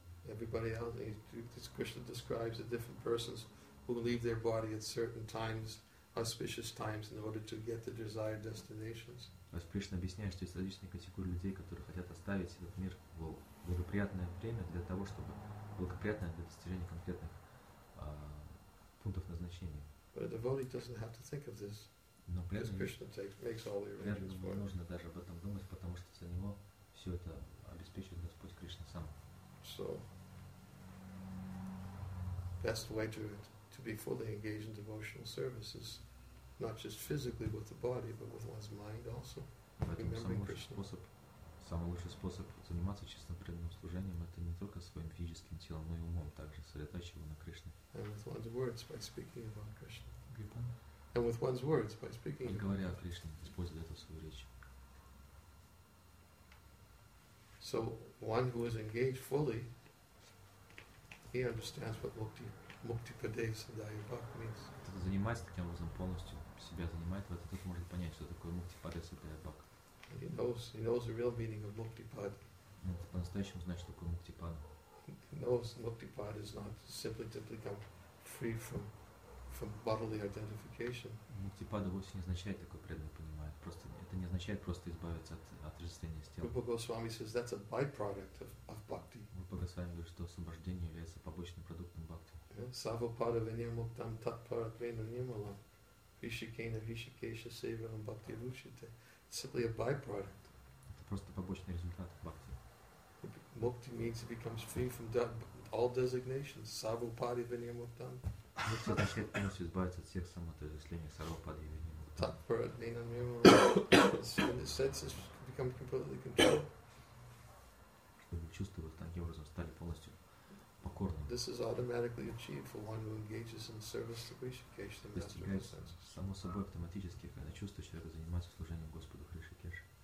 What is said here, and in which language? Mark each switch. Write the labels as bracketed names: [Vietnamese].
[English] Everybody else, Krishna describes the different persons who leave their body at certain times, auspicious times, in order to get the desired destinations. [Russian] Krishna объясняет, что есть различные категории людей, которые хотят оставить этот мир в благоприятное время для того, чтобы благоприятное для достижения конкретных пунктов назначения. [English] But a devotee doesn't have to think of this. [Russian] Но преданный, [English] Кришна makes all the arrangements for him. [Russian] Нужно даже об этом думать, потому что за него все это обеспечивает Господь Кришна сам. [English] So, best way to be fully engaged in devotional service is not just physically with the body, but with one's mind also. [Russian] Поэтому самый лучший способ заниматься чистым преданным служением — это не только своим физическим телом, но и умом, также сосредоточив его на Кришне. [English] And with one's words by speaking. [Russian] И говоря о Кришне, используя это в свою речь. [English] So one who is engaged fully, he understands what mukti padeva sadaya bhakti means. [Russian] Занимаясь таким образом полностью, себя занимает, вот этот может понять, что такое мукти падеса садая бхакти. [English] He knows the real meaning of Muktipad. [Russian] По-настоящему знает, что такое Муктипад. [English] He knows Muktipad is not simply to become free from bodily identification. [Russian] Муктипад вовсе не означает такое, преданный понимает. Просто это не означает просто избавиться от отрицания с телом. [English] Rupa Goswami says that's a byproduct of bhakti. [Russian] Rupa Goswami говорит, что освобождение является побочным продуктом бхакти. [Sanskrit] Savapada venir muktam tat paratvena nimala vishikena vishikesha sevam bhakti rushite. [English] Simply a byproduct. [Russian] Это просто побочный результат бхакти. [English] Mukti means it becomes free from all designations. [Sanskrit] Savupadi vinaya muktam. [Russian] Мукти означает полностью избавиться от всех самоотождествлений. [Sanskrit] Савупади винаям муктам. Tatparadvina nirmala. [English] The senses become completely controlled. [Russian] Чтобы чувства таким образом стали полностью покорными. [English] This is automatically achieved for one who engages in service to Krishna Keshe. [Russian] Достигается само собой автоматически, когда чувствует, что человек занимается служением Господу Кришне Кеше.